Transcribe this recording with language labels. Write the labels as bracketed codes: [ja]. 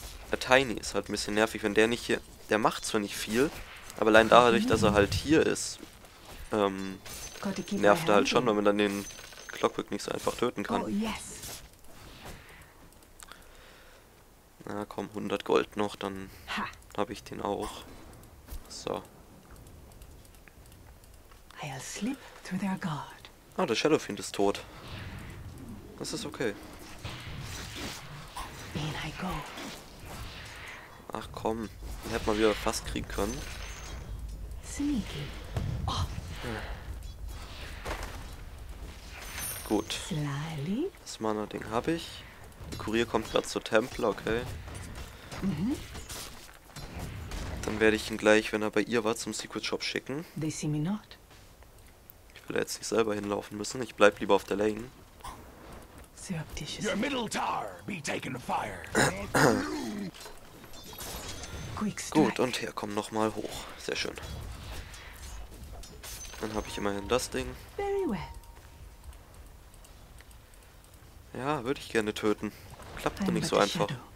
[de] Der Tiny ist halt ein bisschen nervig, wenn der nicht hier. Der macht zwar nicht viel, aber allein dadurch, dass er halt hier ist, nervt er halt schon, weil man dann den Clockwork nicht so einfach töten kann. [en] Oh, yes. [de] Na komm, 100 Gold noch, dann habe ich den auch. So. [en] I'll slip through their guard. [de] Ah, der Shadowfiend ist tot. Das ist okay. [en] In I go. [de] Ach komm, den hätte man wieder fast kriegen können. [en] Sneaky. Oh. [de] Gut. [en] Slyly. [de] Das Mana-Ding habe ich. Der Kurier kommt gerade zur Tempel, okay. Mhm. Dann werde ich ihn gleich, wenn er bei ihr war, zum Secret Shop schicken. [en] They see me not. [de] Ich will jetzt nicht selber hinlaufen müssen, ich bleib lieber auf der Lane. [en] Surreptitious. Your middle tower be taken to fire. [de] Gut, und hier komm noch mal hoch. Sehr schön. Dann habe ich immerhin das Ding. Ja, würde ich gerne töten. Klappt doch nicht so einfach.